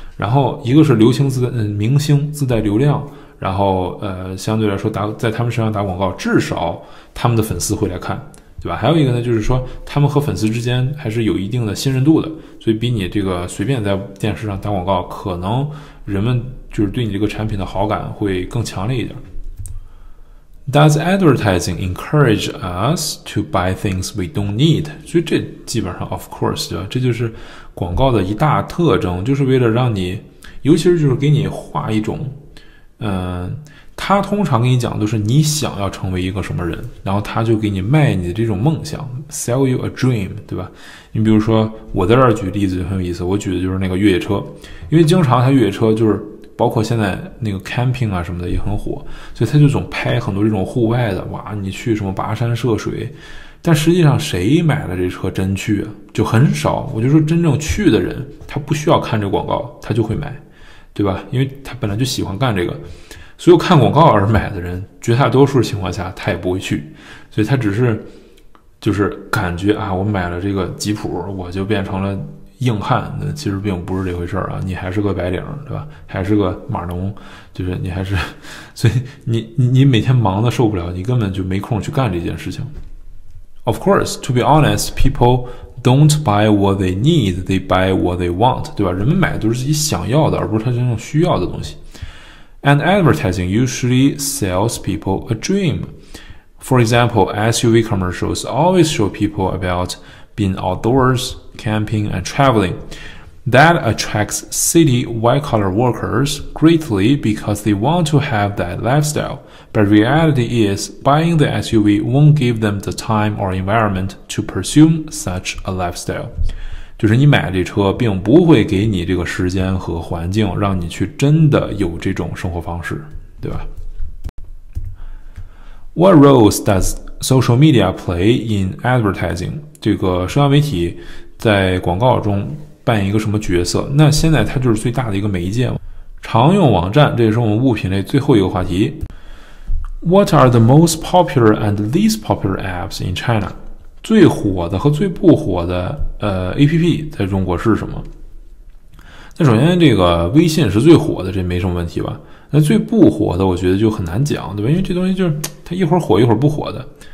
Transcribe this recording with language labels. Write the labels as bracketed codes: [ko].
[zh] 然后一个是流行自带，明星自带流量，然后相对来说在他们身上打广告，至少他们的粉丝会来看，对吧？还有一个呢，就是说他们和粉丝之间还是有一定的信任度的，所以比你这个随便在电视上打广告，可能人们就是对你这个产品的好感会更强烈一点。 [en] Does advertising encourage us to buy things we don't need? [zh] 所以这基本上 [en] of course, [zh] 对吧？这就是广告的一大特征，就是为了让你，尤其是就是给你画一种，他通常给你讲都是你想要成为一个什么人，然后他就给你卖你的这种梦想， [en] sell you a dream, [zh] 对吧？你比如说我在这儿举例子就很有意思，我举的就是那个越野车，因为经常他越野车就是包括现在那个 camping 啊什么的也很火，所以他就总拍很多这种户外的，哇，你去什么跋山涉水，但实际上谁买了这车真去啊？就很少。我就说真正去的人，他不需要看这广告，他就会买，对吧？因为他本来就喜欢干这个，所有看广告而买的人，绝大多数情况下他也不会去，所以他只是就是感觉啊，我买了这个吉普，我就变成了硬汉，那其实并不是这回事儿啊，你还是个白领，对吧？还是个码农，就是你还是，所以你每天忙得受不了，你根本就没空去干这件事情。 [en] Of course, to be honest, people don't buy what they need, they buy what they want, [zh] 对吧？人们买的都是自己想要的，而不是他真正需要的东西。 [en] And advertising usually sells people a dream. For example, SUV commercials always show people about being outdoors. Camping and traveling that attracts city white collar workers greatly because they want to have that lifestyle. But reality is, buying the SUV won't give them the time or environment to pursue such a lifestyle. [zh] 就是你买这车并不会给你这个时间和环境让你去真的有这种生活方式，对吧？ [en] What roles does social media play in advertising? [zh] 这个社交媒体在广告中扮演一个什么角色？那现在它就是最大的一个媒介嘛。常用网站，这也是我们物品类最后一个话题。 [en] What are the most popular and least popular apps in China? [zh] 最火的和最不火的APP 在中国是什么？那首先这个微信是最火的，这没什么问题吧？那最不火的我觉得就很难讲，对吧？因为这东西就是它一会儿火一会儿不火的。